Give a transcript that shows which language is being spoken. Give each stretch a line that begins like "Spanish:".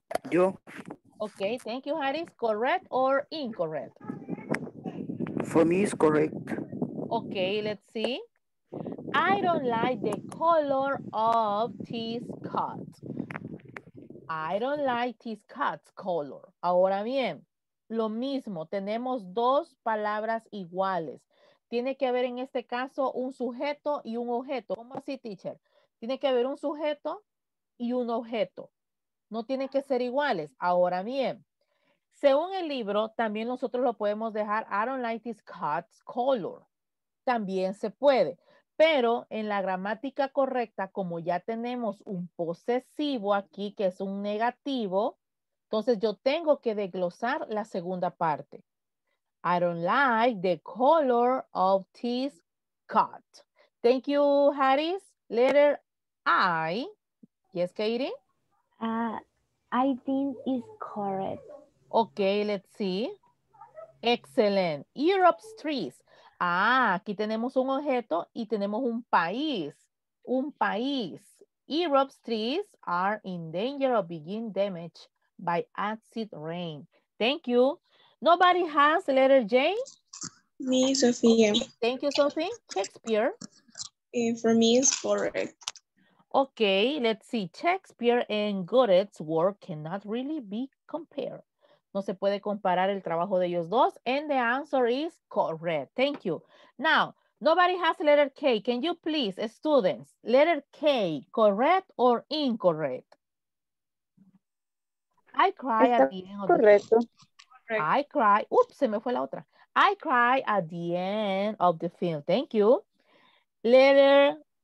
English: Yo. Okay, thank you, Harris. Correct or incorrect? For me, it's correct. Okay, let's see. I don't like the color of this cat. I don't like this cat's color.
Spanish: Ahora bien, lo mismo, tenemos dos palabras iguales. Tiene que haber en este caso un sujeto y un objeto. ¿Cómo así, teacher? Tiene que haber un sujeto y un objeto. No tienen que ser iguales. Ahora bien, según el libro, también nosotros lo podemos dejar,
English: I don't like this cat's color.
Spanish: También se puede. Pero en la gramática correcta, como ya tenemos un posesivo aquí, que es un negativo, entonces yo tengo que desglosar la segunda parte.
English: I don't like the color of this cat. Thank you, Harris. Letter I. Yes, Katie? I think it's correct. Okay, let's see. Excellent. Europe's trees.
Spanish: Aquí tenemos un objeto y tenemos un país. Un país.
English: Europe's trees are in danger of being damaged by acid rain. Thank you. Nobody has letter J? Me, Sophia. Okay, thank you, Sophie. Shakespeare? For me, it's correct. Okay, let's see. Shakespeare and Goethe's work cannot really be compared.
Spanish: No se puede comparar el trabajo de ellos dos.
English: And the answer is correct. Thank you. Now, nobody has letter K. Can you please, students, letter K, correct or incorrect? I cry at the end of
Spanish: correcto.
English: The film. I cry. Oops,
Spanish: se me fue la otra.
English: I cry at the end of the film. Thank you. Letter